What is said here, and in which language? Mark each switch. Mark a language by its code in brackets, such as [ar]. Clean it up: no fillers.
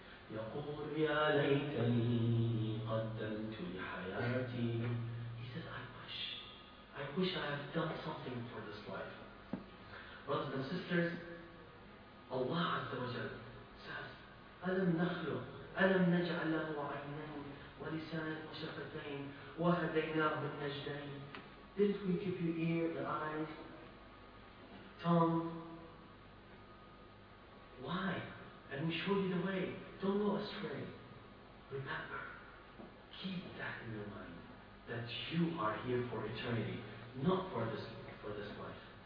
[ar] يقول يا ليتني قدمت لحياتي. [en] He says, I wish I have done something for this life. Brothers and sisters, Allah [ar] عز وجل [en] says, [ar] ألم نخلق ألم نجعل له عينين ولسانا وشفتين وهديناه النجدين. [en] Didn't we give you ear, the eyes, tongue? Why? And we showed you the way. Don't go astray. Remember, keep that in your mind, that you are here for eternity, not for this life.